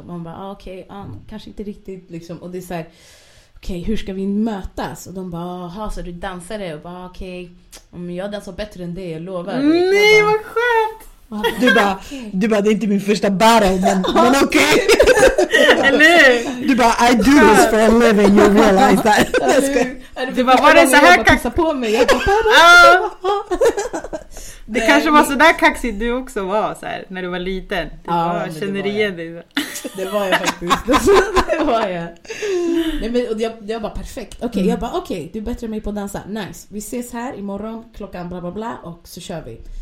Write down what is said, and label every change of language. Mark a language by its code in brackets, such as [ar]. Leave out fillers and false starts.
[sv] Och de bara, kanske inte riktigt. Liksom. Och det är så här, okej, hur ska vi mötas? Och de bara, så du dansade? Och bara, okej, jag dansar bättre än det, jag lovar. Nej, jag bara, vad skönt! Du bara, det är inte min första battle, men okej. Eller hur? Du bara, [en] I do this for a living, you realize that. [sv] Du bara, var det så här kaxigt? På mig. Jag bara, det kanske var så där kaxigt du också var så här, när du var liten. Känner igen dig. Det var jag faktiskt. Det var jag. Nej, men, och jag bara, perfekt. Okej, jag bara, okej, du är bättre än mig på att dansa. Nice, vi ses här imorgon klockan bla bla bla och så kör vi.